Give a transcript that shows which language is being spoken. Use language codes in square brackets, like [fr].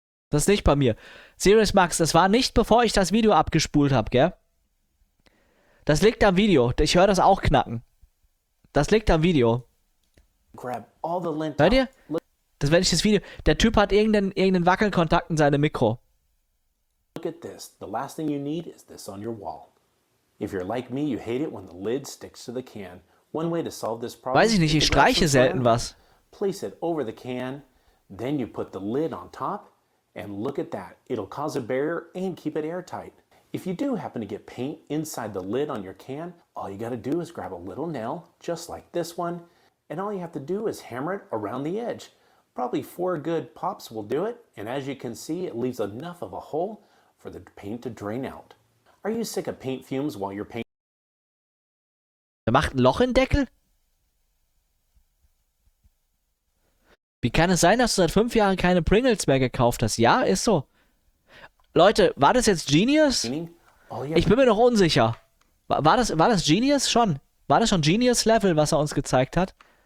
[de] Das ist nicht bei mir. Serious Max, das war nicht, bevor ich das Video abgespult habe, gell? Das liegt am Video. Ich höre das auch knacken. Das liegt am Video. Hört ihr? Das werde ich das Video. Der Typ hat irgendeinen Wackelkontakt in seinem Mikro. [en] Look at this. The last thing you need is this on your wall. If you're like me, you hate it when the lid sticks to the can. One way to solve this problem. [de] Weiß ich nicht. Ich streiche selten was. [en] Place it over the can, then you put the lid on top, and look at that. It'll cause a barrier and keep it airtight. If you do happen to get paint inside the lid on your can, all you gotta do is grab a little nail, just like this one, and all you have to do is hammer it around the edge. Probably 4 good pops will do it, and as you can see, it leaves enough of a hole for the paint to drain out. Are you sick of paint fumes while you're painting? [de] Er macht ein Loch in den Deckel? Wie kann es sein, dass du seit 5 Jahren keine Pringles mehr gekauft hast? Ja, ist so. Leute, war das jetzt Genius? Ich bin mir noch unsicher. War das Genius schon? War das schon Genius Level, was er uns gezeigt hat?